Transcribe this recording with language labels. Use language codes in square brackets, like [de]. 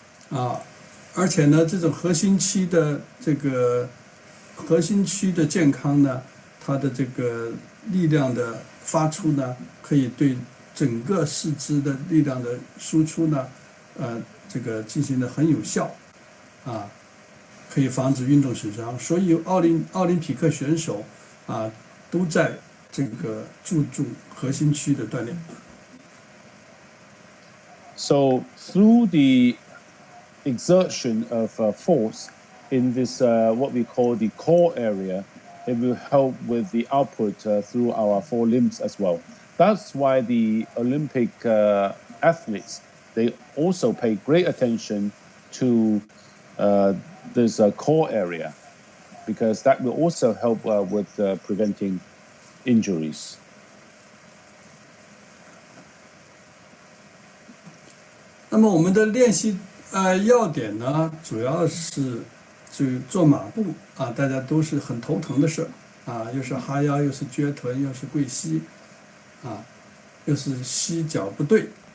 [zh] 而且呢，这种核心区的这个核心区的健康呢，它的这个力量的发出呢，可以对整个四肢的力量的输出呢，这个进行的很有效，可以防止运动损伤，所以奥林匹克选手都在这个注重核心区的锻炼。 [en] So through the exertion of force in this what we call the core area, it will help with the output through our four limbs as well. That's why the Olympic athletes they also pay great attention to there's a core area because that will also help with preventing injuries. [zh] 那么我们的练习要点呢主要是就做马步大家都是很头疼的事又是哈腰又是撅臀又是跪膝又是膝脚不对。